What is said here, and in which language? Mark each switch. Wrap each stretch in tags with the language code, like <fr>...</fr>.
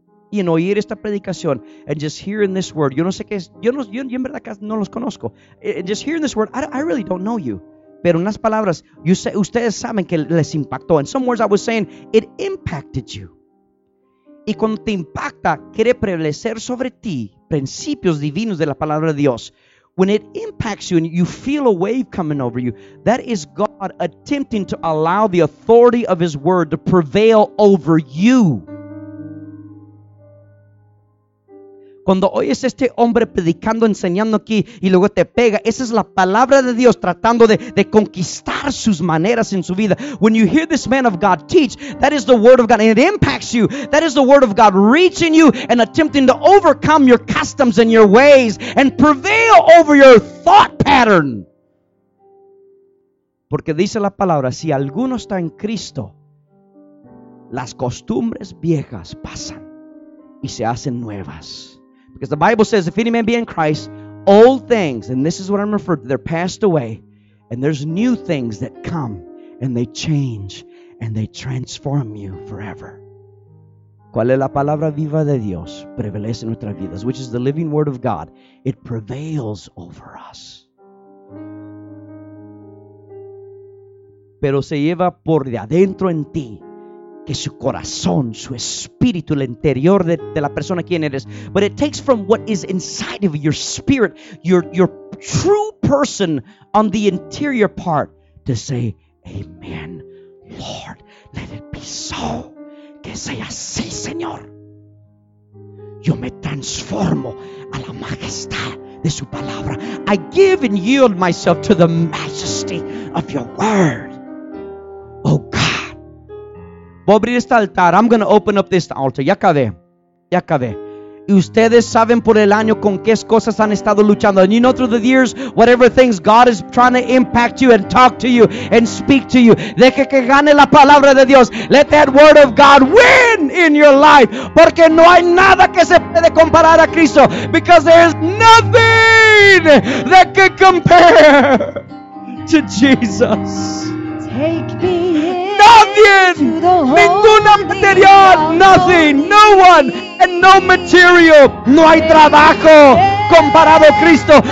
<es>Y en oír esta predicación,</es> <en>and just hearing this word,</en> <es>yo no sé qué es, yo en verdad no los conozco.</es> <en>And just hearing this word, I really don't know you.</en> <es>Pero en las palabras, ustedes saben que les impactó.</es> <en>In some words I was saying, it impacted you.</en> <es>Y cuando te impacta, quiere prevalecer sobre ti principios divinos de la palabra de Dios.</es> <en>When it impacts you and you feel a wave coming over you, that is God attempting to allow the authority of his word to prevail over you.</en> <es>Cuando oyes este hombre predicando, enseñando aquí, y luego te pega, esa es la palabra de Dios tratando de conquistar sus maneras en su vida.</es> <en>When you hear this man of God teach, that is the word of God, and it impacts you. That is the word of God reaching you and attempting to overcome your customs and your ways and prevail over your thought pattern.</en> <es>Porque dice la palabra, si alguno está en Cristo, las costumbres viejas pasan y se hacen nuevas.</es> <en>Because the Bible says, if any man be in Christ, old things, and this is what I'm referring to, they're passed away, and there's new things that come, and they change, and they transform you forever.</en> <es>¿Cuál es la palabra viva de Dios? Prevalece en nuestras vidas,</es> <en>which is the living word of God. It prevails over us.</en> <es>Pero se lleva por de adentro en ti. Que su corazón, su espíritu, el interior de la persona quien eres.</es> <en>But it takes from what is inside of you, your spirit, your true person on the interior part to say, Amen, Lord, let it be so.</en> <es>Que sea así, Señor. Yo me transformo a la majestad de su palabra.</es> <en>I give and yield myself to the majesty of your word. Oh God.</en> <es>Voy a abrir este altar.</es> <en>I'm going to open up this altar.</en> <es>Ya acabé. Y ustedes saben por el año con qué cosas han estado luchando.</es> <en>And you know through the years, whatever things God is trying to impact you and talk to you and speak to you.</en> <es>Deje que gane la palabra de Dios.</es> <en>Let that word of God win in your life.</en> <es>Porque no hay nada que se puede comparar a Cristo.</es> <en>Because there is nothing that can compare to Jesus. Take me. Nothing,</en> <es>ninguna material,</es> <en>nothing, no one, and no material.</en> <es>No hay trabajo comparado a Cristo.</es>